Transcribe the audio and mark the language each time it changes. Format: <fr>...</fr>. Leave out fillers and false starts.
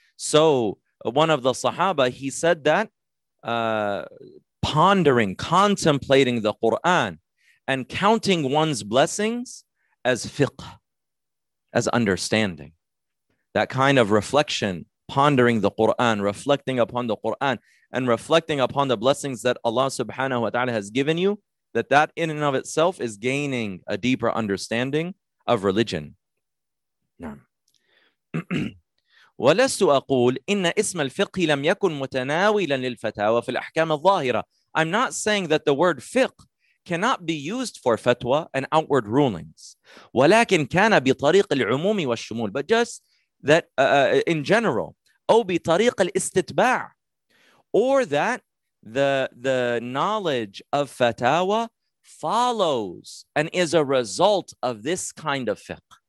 <en>So one of the Sahaba, he said that pondering, contemplating the Quran and counting one's blessings as fiqh, as understanding. That kind of reflection, pondering the Quran, reflecting upon the Quran and reflecting upon the blessings that Allah subhanahu wa ta'ala has given you, that in and of itself is gaining a deeper understanding of religion. Yeah.</en> <ar>ولست أقول إن اسم الفقه لم يكن متناولا للفتاوى في الأحكام الظاهرة.</ar> <en>I'm not saying that the word fiqh cannot be used for fatwa and outward rulings.</en> <ar>ولكن كان بطريق العموم والشمول.</ar> <en>But just that in general.</en> <ar>أو بطريق الاستتباع.</ar> <en>Or that the knowledge of fatwa follows and is a result of this kind of fiqh.</en>